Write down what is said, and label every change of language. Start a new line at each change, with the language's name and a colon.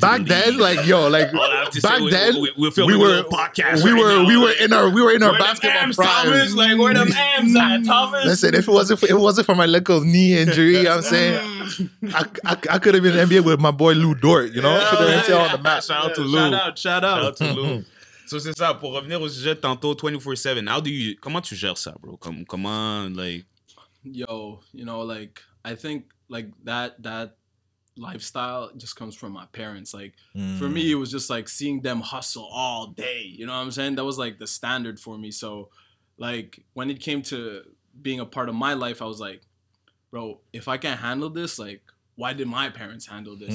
English: Back then, we were in our basketball prime. Thomas, like, where the M's at, Thomas? Listen, if it wasn't for my little knee injury, you know what I'm saying? I could have been in the NBA with my boy Lou Dort, you know? Yeah, shout out to Lou. Shout out to Lou.
French: So c'est ça, pour revenir au sujet tantôt, 24/7, comment tu gères ça, bro? Comment,
English: like... Yo, you know, like, I think, like, that lifestyle just comes from my parents. Like, for me, it was just, like, seeing them hustle all day, you know what I'm saying? That was, like, the standard for me. So, like, when it came to being a part of my life, I was like, bro, if I can't handle this, like, why did my parents handle this?